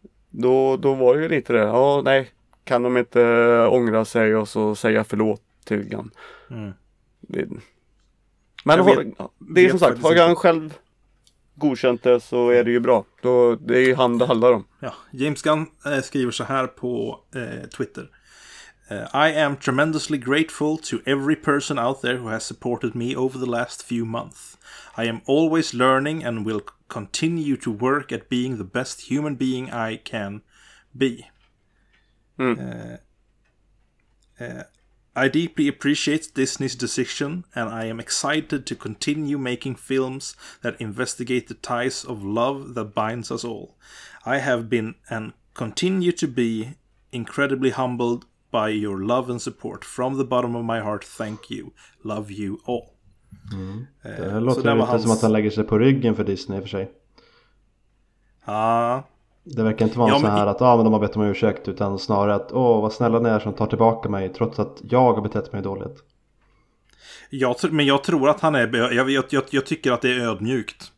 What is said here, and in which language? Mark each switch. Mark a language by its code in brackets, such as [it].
[sv] Då var det ju lite det. Ja, nej, kan de inte ångra sig och så säga förlåt till Gunn. Mm. Har Gunn själv godkänt det så är det ju bra. Det är ju han det handlar om. Ja, James Gunn skriver så här på Twitter. [en] I am tremendously grateful to every person out there who has supported me over the last few months. I am always learning and will continue to work at being the best human being I can be. I deeply appreciate Disney's decision and I am excited to continue making films that investigate the ties of love that binds us all. I have been and continue to be incredibly humbled by your love and support. From the bottom of my heart, thank you. Love you all. Mm. [sv] Det låter lite som att han lägger sig på ryggen för Disney för sig. Det verkar inte vara men de har bett om ursäkt, utan snarare att, vad snälla ni är som tar tillbaka mig trots att jag har betett mig dåligt. Jag tror att han är, jag tycker att det är ödmjukt.